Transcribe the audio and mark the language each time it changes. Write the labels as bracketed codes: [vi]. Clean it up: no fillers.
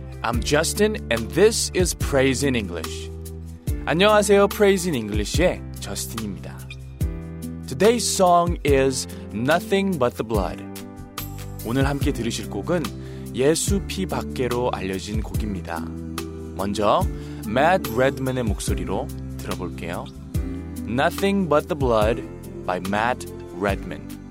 [en] I'm Justin and this is Praise in English. [ko] 안녕하세요. [en] Praise in English의 [ko] 저스틴입니다. [en] Today's song is Nothing But the Blood. [ko] 오늘 함께 들으실 곡은 예수 피 밖에로 알려진 곡입니다. 먼저 Matt Redman의 목소리로 들어볼게요. [en] Nothing But the Blood by Matt Redman.